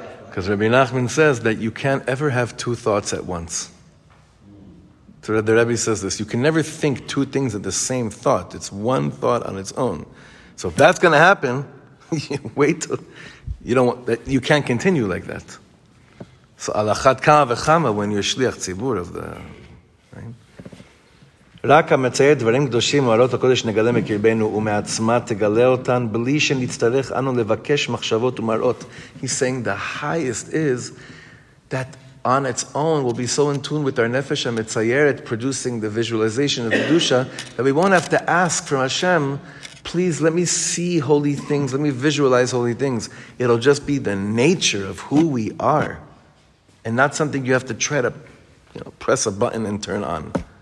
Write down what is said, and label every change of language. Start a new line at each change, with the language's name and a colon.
English: Because Rabbi Nachman says that you can't ever have two thoughts at once. So the Rebbe says this, you can never think two things at the same thought. It's one thought on its own. So if that's going to happen, wait till You can't continue like that. So al achat kama v'chama when you're shliach tzibur of the
Hebrew: רק המצייר דברים קדושים ומעלות הקודש נגלה מקרבנו ומעצמה תגלה אותן בלי שנצטרך אנו לבקש מחשבות ומראות.
English: He's saying the highest is that on its own we'll be so in tune with our nefesh המציירת producing the visualization of the dusha that we won't have to ask from Hashem, please let me see holy things, let me visualize holy things. It'll just be the nature of who we are and not something you have to try to press a button and turn on.